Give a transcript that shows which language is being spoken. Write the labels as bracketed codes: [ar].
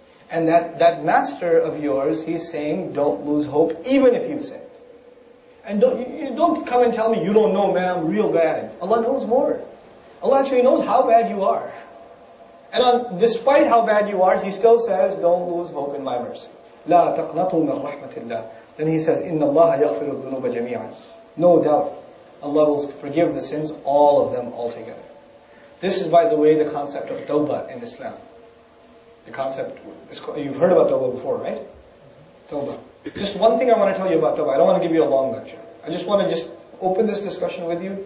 [en] And that master of yours, he's saying, don't lose hope, even if you've sinned. And don't come and tell me, you don't know, man, I'm real bad. Allah knows more. Allah actually knows how bad you are. And despite how bad you are, He still says, don't lose hope in my mercy. [ar] لَا تَقْنَطُوا مِنْ رَحْمَةِ اللَّهِ. [en] Then He says, [ar] إِنَّ اللَّهَ يَغْفِرُ الذُّنُوبَ جَمِيعًا. [en] No doubt, Allah will forgive the sins, all of them altogether. This is, by the way, the concept of tawbah in Islam. The concept, you've heard about tawbah before, right? Tawbah. Just one thing I want to tell you about tawbah. I don't want to give you a long lecture. I just want to just open this discussion with you.